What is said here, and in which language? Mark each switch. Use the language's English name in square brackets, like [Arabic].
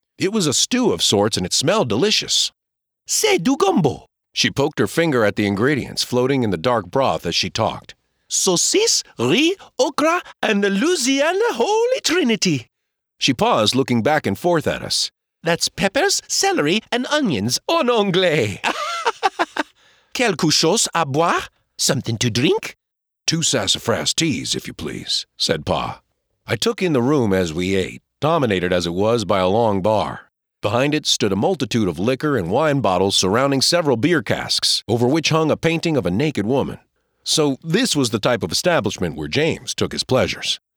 [English] It was a stew of sorts, and it smelled delicious. [French] "C'est du gumbo." [English] She poked her finger at the ingredients, floating in the dark broth as she talked. "Saucisse, riz, okra, and the Louisiana Holy Trinity." She paused, looking back and forth at us. "That's peppers, celery, and onions [French] en anglais. Quelque chose à boire? [English] Something to drink?" 2 sassafras teas, if you please, said Pa. I took in the room as we ate, dominated as it was by a long bar. Behind it stood a multitude of liquor and wine bottles surrounding several beer casks, over which hung a painting of a naked woman. So this was the type of establishment where James took his pleasures.